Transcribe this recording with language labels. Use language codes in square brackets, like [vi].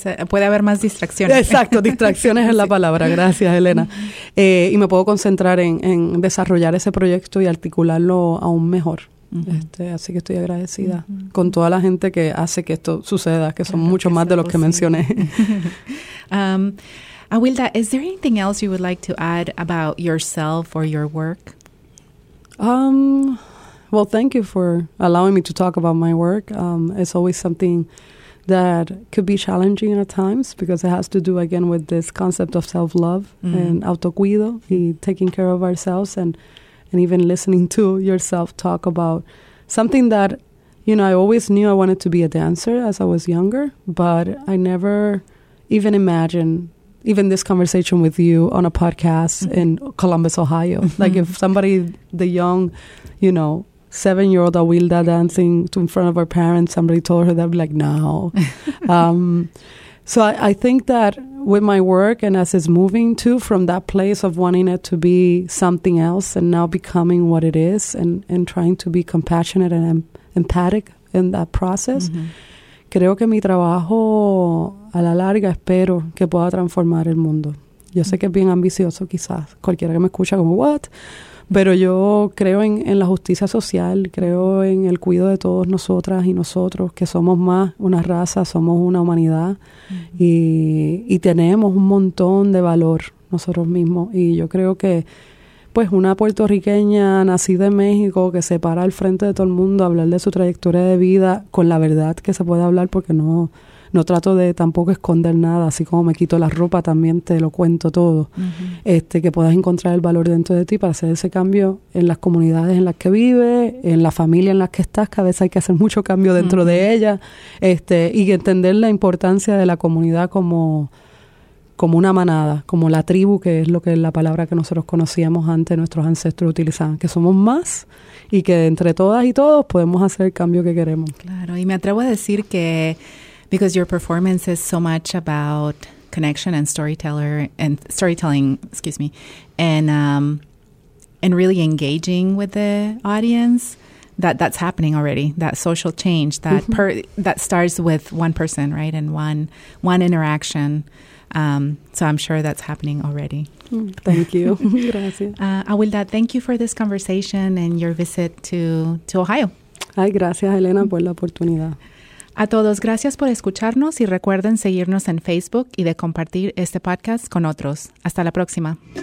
[es] Puede haber más distracciones. Exacto, distracciones es la palabra. Gracias, Elena. Uh-huh. Y me puedo concentrar en desarrollar ese proyecto y articularlo aún mejor. Uh-huh. Así que estoy agradecida uh-huh. con toda la gente que hace que esto suceda, que son mucho más de los que mencioné. [en] Wilda, is there anything else you would like to add about yourself or your work? Well, thank you for allowing me to talk about my work. It's always something that could be challenging at times because it has to do, again, with this concept of self-love mm-hmm. and autocuido, y taking care of ourselves. And and even listening to yourself talk about something that, you know, I always knew I wanted to be a dancer as I was younger, but I never even imagined even this conversation with you on a podcast mm-hmm. in Columbus, Ohio. Mm-hmm. Like if somebody, the young, you know, 7-year-old Awilda dancing to in front of her parents, somebody told her, they'd be like, no. So I think that with my work and as it's moving to from that place of wanting it to be something else and now becoming what it is and trying to be compassionate and empathic in that process, mm-hmm. [es] creo que mi trabajo a la larga espero que pueda transformar el mundo. Yo sé que es bien ambicioso quizás, cualquiera que me escucha como, what? Pero yo creo en la justicia social, creo en el cuidado de todos nosotras y nosotros, que somos más una raza, somos una humanidad mm-hmm. y tenemos un montón de valor nosotros mismos. Y yo creo que pues una puertorriqueña nacida en México que se para al frente de todo el mundo a hablar de su trayectoria de vida con la verdad que se puede hablar porque no... No trato de tampoco esconder nada, así como me quito la ropa también te lo cuento todo. Uh-huh. Que puedas encontrar el valor dentro de ti para hacer ese cambio en las comunidades en las que vives, en la familia en las que estás, que a veces hay que hacer mucho cambio dentro uh-huh. de ella. Y entender la importancia de la comunidad como una manada, como la tribu, que es lo que es la palabra que nosotros conocíamos antes, nuestros ancestros utilizaban, que somos más y que entre todas y todos podemos hacer el cambio que queremos. Claro, y me atrevo a decir que [en] because your performance is so much about connection and storytelling, and really engaging with the audience, that's happening already. That social change that mm-hmm. that starts with one person, right, and one interaction. So I'm sure that's happening already. Thank you. [es] Gracias. [en] Awilda, thank you for this conversation and your visit to Ohio. [es] Ay, gracias, Elena, por la oportunidad. A todos, gracias por escucharnos y recuerden seguirnos en Facebook y de compartir este podcast con otros. Hasta la próxima.